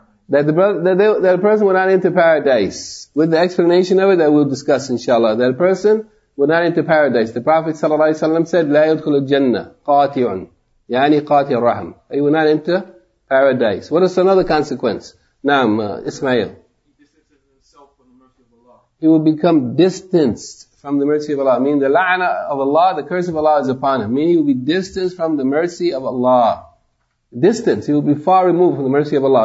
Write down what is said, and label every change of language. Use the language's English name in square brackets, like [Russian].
[English] That a person will not enter paradise. With the explanation of it that we'll discuss, inshallah. That a person will not enter paradise. The Prophet sallallahu alaihi wasallam said, [Arabic] لا يدخل الجنة قاطعٌ يعني قاطع الرحم. [English] He will not enter paradise. What is another consequence? Naam, Ismail. He distances himself from the mercy of Allah. He will become distanced from the mercy of Allah. Meaning the la'ana of Allah, the curse of Allah is upon him. Meaning he will be distanced from the mercy of Allah. Distance, he will be far removed from the mercy of Allah.